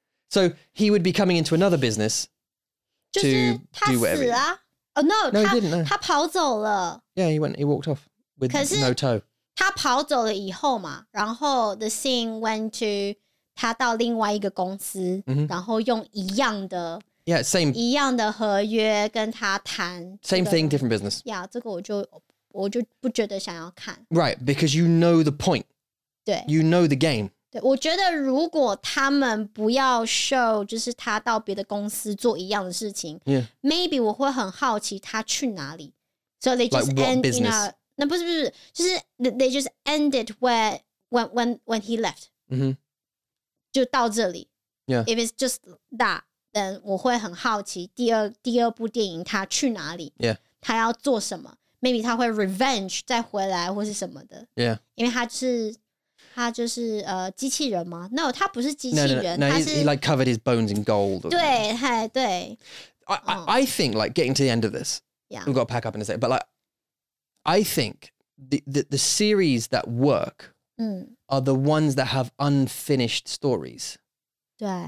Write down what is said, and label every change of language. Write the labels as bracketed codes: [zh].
[en] So he would be coming into another business to do whatever. Oh, no, no, he didn't. No. [zh] 他跑走了。 [en] Yeah, he went, he walked off with no toe. [zh] 他跑走了以后嘛，然后 [en] the scene went to [zh] 他到另外一个公司，然后用一样的 [en] yeah, same, [zh] 一样的合约跟他谈。 [en] Same thing, different business. Yeah, [zh] 这个我就不觉得想要看。 [en] Right, because you know the point. [zh] 对。 [en] You know the game. [zh] 我觉得如果他们不要 show 就是他到别的公司做一样的事情、 [en] yeah. Maybe [zh] 我会很好奇他去哪里 [en] So they just like end business? You know, [zh] 那不是就是 [en] They just ended when he left、 mm-hmm. [zh] 就到这里、 [en] yeah. If it's just that Then [zh] 我会很好奇第二部电影他去哪里、 [en] yeah. [zh] 他要做什么 [en] Maybe [zh] 他会 revenge 再回来或是什么的、 [en] yeah. [zh] 因为他是他就是机器人吗 [en] No, [zh] 他不是机器人 [en] No, he like covered his bones in gold [zh] 对 [en] hey, [zh] 对 [en] I think like getting to the end of this Yeah We've got to pack up in a second But like I think the series that work Are the ones that have unfinished stories [zh] 对